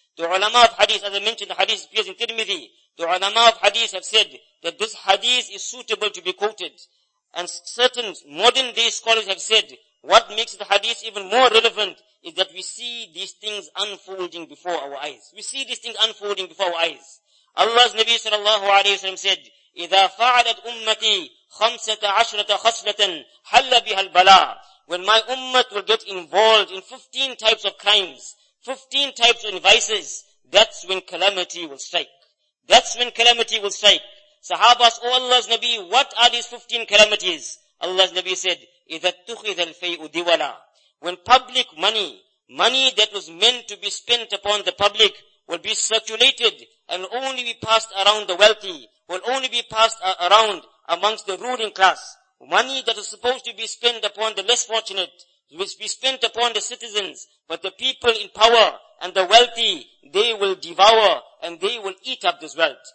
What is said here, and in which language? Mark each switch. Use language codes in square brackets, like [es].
[en] The ulama of hadith, as I mentioned, the hadith appears in Tirmidhi. The ulama of hadith have said that this hadith is suitable to be quoted. And certain modern day scholars have said, what makes the hadith even more relevant is that we see these things unfolding before our eyes. We see these things unfolding before our eyes. Allah's Nabi sallallahu alayhi wa sallam said, [ar] إِذَا فَعَلَتْ أُمَّتِي خَمْسَةَ عَشْرَةَ خَصْلَةً حَلَّ بِهَا الْبَلَىٰ. [en] When my ummah will get involved in 15 types of crimes, 15 types of vices, that's when calamity will strike. That's when calamity will strike. Sahaba asked, oh Allah's Nabi, what are these 15 calamities? Allah's Nabi said, [ar] إِذَا اتُّخِذَ الْفَيْءُ دِوَلًا. [en] When public money, money that was meant to be spent upon the public, will be circulated and only be passed around the wealthy, will only be passed around amongst the ruling class. Money that is supposed to be spent upon the less fortunate, will be spent upon the citizens, but the people in power and the wealthy, they will devour and they will eat up this wealth.